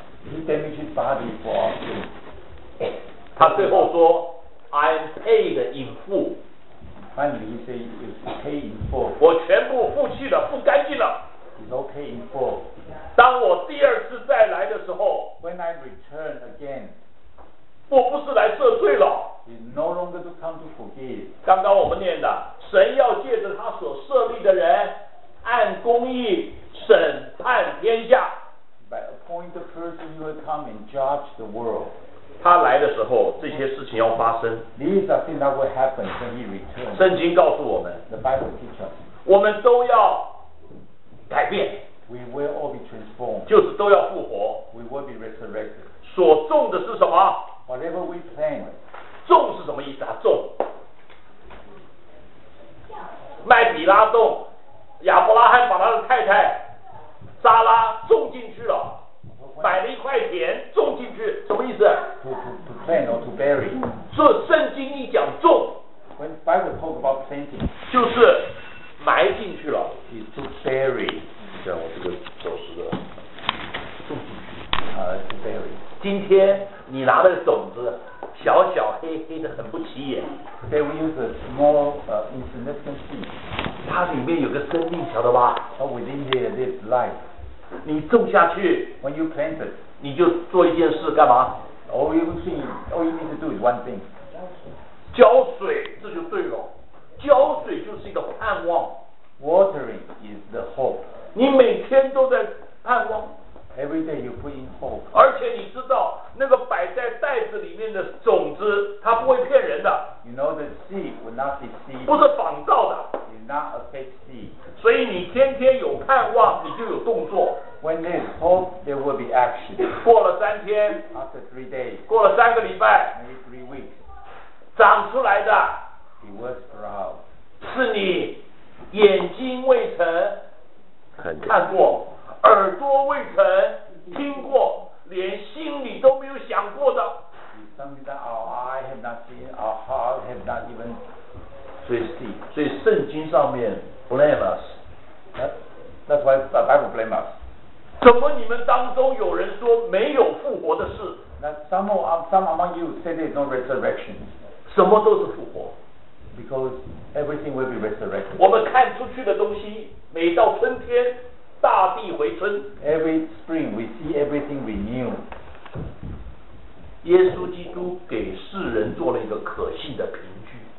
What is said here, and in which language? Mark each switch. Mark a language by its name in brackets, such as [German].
[English] He damaged body for our sin. [Chinese] 他最后说 [English] ，I am paid in full. Finally, he said, "It's paid in full." [Chinese] 我全部付去了，付干净了。 [English] It's all paid in full. [Chinese] 当我第二次再来的时候 [English] ，When I return again. [Chinese] 我不是来赦罪了。 [English] It's no longer to come to forgive. [Chinese] 刚刚我们念的，神要借着他所设立的人，按公义审判天下。 [English] By appoint the person who will come and judge the world. [Chinese] 他来的时候，这些事情要发生。 [English] These are things that will happen when he returns. [Chinese] 圣经告诉我们 [English] ，The Bible teaches. [Chinese] 我们都要改变。 [English] We will all be transformed. [Chinese] 就是都要复活。 [English] We will be resurrected. [Chinese] 所种的是什么？ [English] Whatever we plant, [Chinese] 种是什么意思啊？种，麦比拉种，亚伯拉罕把他的太太扎拉种进去了，买了一块田种进去，什么意思 [English] ？To plant or to bury. [Chinese] 这圣经一讲种 [English] ，When Bible talk about planting, [Chinese] 就是埋进去了 [English] ，is to bury. [Chinese] 你看我这个手势的，种进去啊 ， [English] to bury. [Chinese] 今天。你拿的种子小小黑黑的很不起眼 [English] They will use a small insignificant seed [Chinese] 它里面有个生命晓得吧 [English] But within here there's life [Chinese] 你种下去 [English] When you plant it [Chinese] 你就做一件事干嘛 [English] All you need to do is one thing [Chinese] 浇水这就对了浇水就是一个盼望 [English] Watering is the hope [Chinese] 你每天都在盼望 [English] Every day you put in hope. [Chinese] 而且你知道那个摆在袋子里面的种子，它不会骗人的。 [English] You know the seed will not deceive. [Chinese] 不是仿造的。 [English] It's not a fake seed. [Chinese] 所以你天天有盼望，你就有动作。 [English] When there's hope, there will be action. [Chinese] 过了三天。 [English] After 3 days. [Chinese] 过了三个礼拜。 [English] Maybe 3 weeks. [Chinese] 长出来的。 [English] It will sprout. [Chinese] 是你眼睛未曾看过。耳朵未曾听过，连心里都没有想过的。 [English] Something that our eye have not seen, our heart have not even seen. [Chinese] 所以圣经上面 [English] blame us. That's why the Bible blame us. [Chinese] 怎么你们当中有人说没有复活的事？ [English] Some among you say there's no resurrection. [Chinese] 什么都是复活。 [English] Because everything will be resurrected. [Chinese] 我们看出去的东西，每到春天，大地回春。 [English] Every spring we see everything renewed. [Chinese] 耶稣基督给世人做了一个可信的凭据。